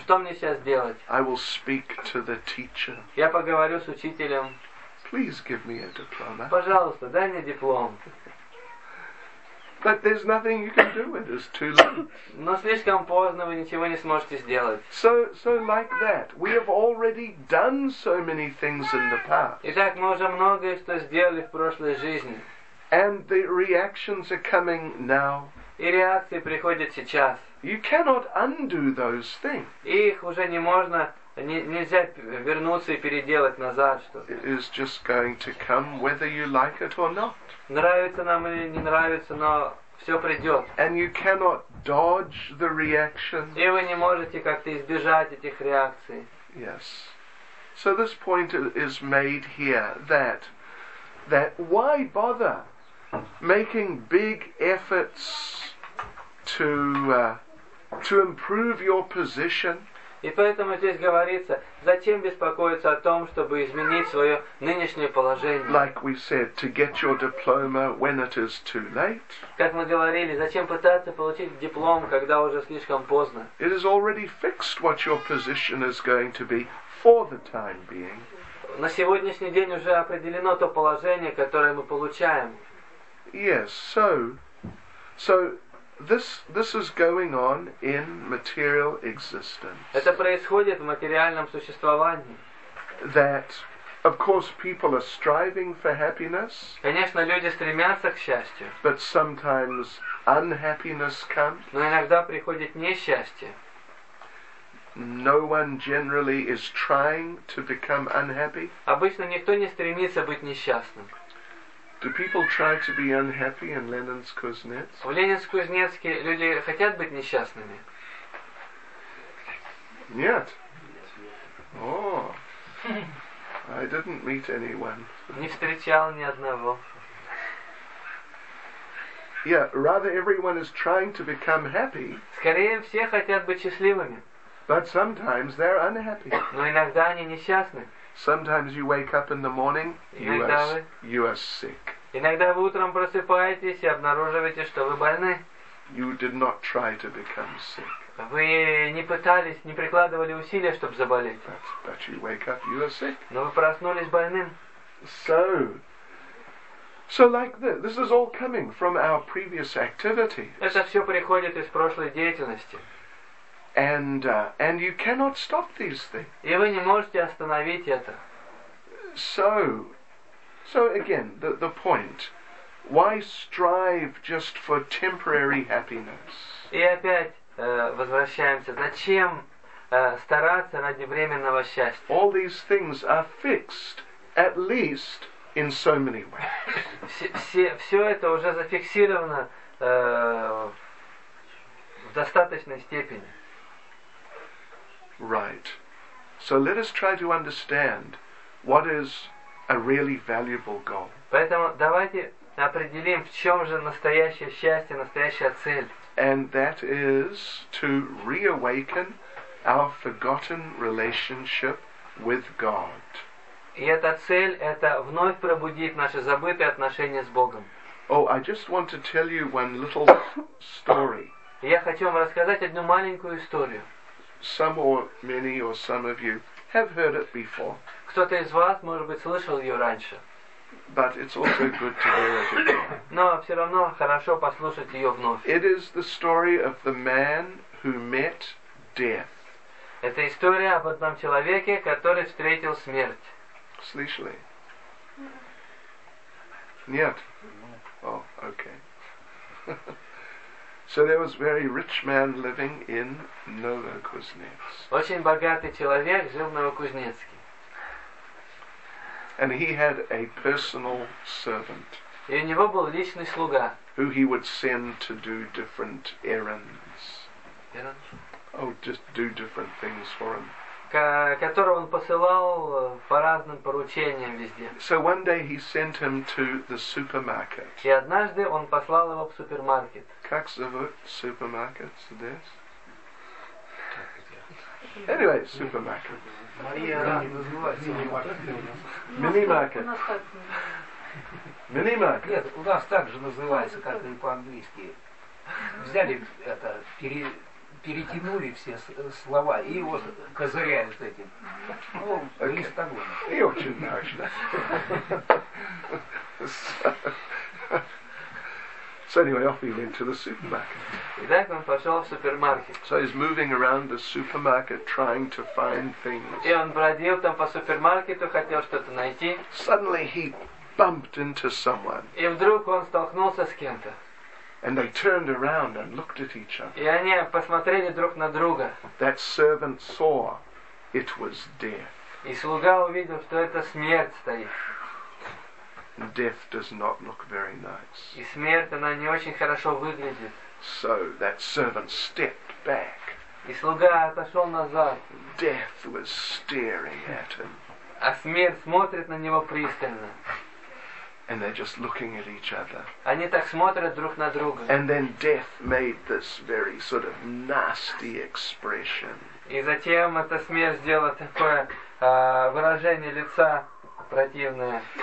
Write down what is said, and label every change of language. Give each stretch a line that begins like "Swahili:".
Russian: Что мне сейчас делать?"
English: I will speak to the teacher.
Russian: Я поговорю с учителем.
English: Please give me a diploma.
Russian: Пожалуйста, дай мне диплом.
English: But there's nothing you can do with this. Too late.
Russian: Но слишком поздно, вы ничего не сможете сделать.
English: So like that. We have already done so many things in the past.
Russian: Итак, мы уже многое что сделали в прошлой жизни.
English: And the reactions are coming now.
Russian: И реакции приходят сейчас.
English: You cannot undo those things.
Russian: Их уже не можно, нельзя вернуться и переделать назад что-то.
English: It is just going to come whether you like it or not.
Russian: Нравится нам или не нравится, но все придет.
English: And you cannot dodge the reactions.
Russian: И вы не можете как-то избежать этих реакций.
English: Yes. So this point is made here that why bother making big efforts to improve your position?
Russian: И поэтому здесь говорится, зачем беспокоиться о том, чтобы изменить свое нынешнее положение?
English: Like we said, to get your diploma when it is too late.
Russian: Как мы говорили, зачем пытаться получить диплом, когда уже слишком поздно?
English: It is already fixed what your position is going to be for the time being.
Russian: На сегодняшний день уже определено то положение, которое мы получаем.
English: Yes, so this is going on in material existence.
Russian: Это происходит в материальном существовании.
English: That, of course, people are striving for happiness.
Russian: Конечно, люди стремятся к счастью.
English: But sometimes unhappiness comes.
Russian: Но иногда приходит несчастье.
English: No one generally is trying to become unhappy.
Russian: Обычно никто не стремится быть несчастным.
English: Do people try to be unhappy in Lenin's Kuznets?
Russian: В Ленинск-Кузнецке люди хотят быть несчастными? Нет.
English: Oh. I didn't meet anyone.
Russian: Не встречал ни одного.
English: Yeah, rather everyone is trying to become happy.
Russian: Скорее все хотят быть счастливыми.
English: But sometimes they're unhappy.
Russian: Но иногда они несчастны.
English: Sometimes you wake up in the morning, you are sick.
Russian: Иногда вы утром просыпаетесь и обнаруживаете, что вы больны.
English: You did not try to become sick.
Russian: Вы не пытались, не прикладывали усилия, чтобы заболеть.
English: But you wake up, you are sick.
Russian: Но вы проснулись больным.
English: So like this is all coming from our previous activity.
Russian: Это все приходит из прошлой деятельности.
English: And you cannot stop these things.
Russian: И вы не можете остановить это.
English: So again, the point. Why strive just for temporary happiness?
Russian: И опять возвращаемся. Зачем стараться ради временного счастья?
English: All these things are fixed, at least in so many ways.
Russian: Все это уже зафиксировано в достаточной степени.
English: Right. So let us try to understand what is a really valuable goal.
Russian: Поэтому давайте определим, в чем же настоящее счастье, настоящая цель.
English: And that is to reawaken our forgotten relationship with God.
Russian: И эта цель — это вновь пробудить наши забытые отношения с Богом.
English: Oh, I just want to tell you one little story.
Russian: Я хочу вам рассказать одну маленькую историю.
English: Some or many or some of you have heard it before.
Russian: Кто-то из вас, может быть, слышал ее раньше.
English: But it's also good to hear it again.
Russian: Но все равно хорошо послушать ее вновь.
English: It is the story of the man who met death.
Russian: Это история об одном человеке, который встретил смерть. Слышали? Нет? О, окей.
English: So there was a very rich man living in Novokuznetsk.
Russian: Очень богатый человек жил в Новокузнецке.
English: And he had a personal servant.
Russian: И у него был личный слуга.
English: Who he would send to do different errands. Errands? Oh, just do different things for him.
Russian: Которого он посылал по разным поручениям везде.
English: So one day he sent him to the supermarket.
Russian: И однажды он послал его в супермаркет. Как зовут супермаркет здесь?
English: Anyway, supermarket.
Russian: Мини-маркет. Мини-маркет. Нет, у нас так же называется, как и по-английски. Взяли это, перетянули все слова и вот козыряют этим. Ну, okay. Листогон. И очень нарочно.
English: So anyway, off he went to the supermarket.
Russian: Итак, он пошел в супермаркет.
English: So he's moving around the supermarket trying to find things.
Russian: И он бродил там по супермаркету, хотел что-то найти.
English: Suddenly he bumped into someone.
Russian: И вдруг он столкнулся с кем-то.
English: And they turned around and looked at each other.
Russian: И они посмотрели друг на друга.
English: That servant saw it was death.
Russian: И слуга увидел, что это смерть стоит.
English: Death does not look very nice.
Russian: И смерть, она не очень хорошо выглядит.
English: So that servant stepped back.
Russian: И слуга отошел назад.
English: Death was staring at him.
Russian: А смерть смотрит на него пристально.
English: And they're just looking at each other.
Russian: Они так смотрят друг на друга.
English: And then death made this very sort of nasty expression.
Russian: И затем эта смерть сделала такое выражение лица противное.